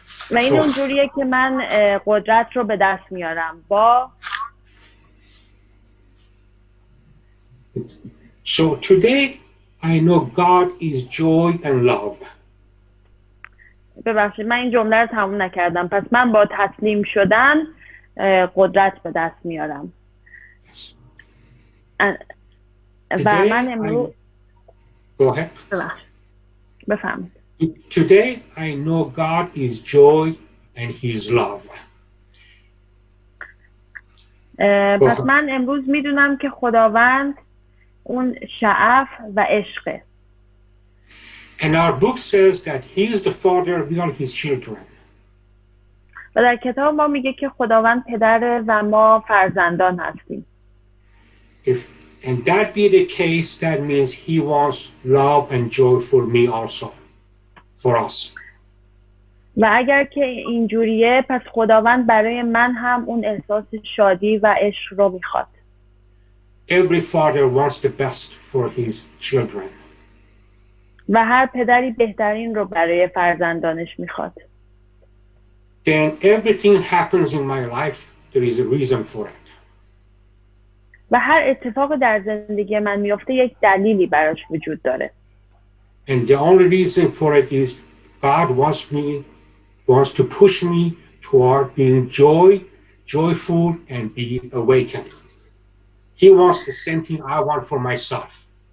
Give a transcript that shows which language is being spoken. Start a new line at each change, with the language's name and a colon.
Persian: و این اونجوریه که من قدرت رو به دست میارم با.
English: So today I know God is joy and love.
Persian: ببخشید من این جمله رو تموم نکردم. پس من با تسلیم شدن قدرت به دست میارم. و من بفهمید.
English: Today I know God is joy and his love.
Persian: پس من امروز میدونم که خداوند اون شعف و عشقه.
English: And our book says that he is the father of all his children.
Persian: و در کتاب ما میگه که خداوند پدره و ما فرزندان هستیم.
English: If and that be the case, that means he wants love and joy for me also, for us.
Persian: و اگر که اینجوریه پس خداوند برای من هم اون احساس شادی و عشق رو میخواد.
English: Every father wants the best for his children.
Persian: و هر پدری بهترین رو برای فرزندانش میخواد.
English: Then everything happens in my life, there is a reason for it.
Persian: و هر اتفاق در زندگی من میفته یک دلیلی براش وجود داره.
English: And the only reason for it is God wants me, wants to push me toward being joyful and be awakened. He wants the same thing I want for myself.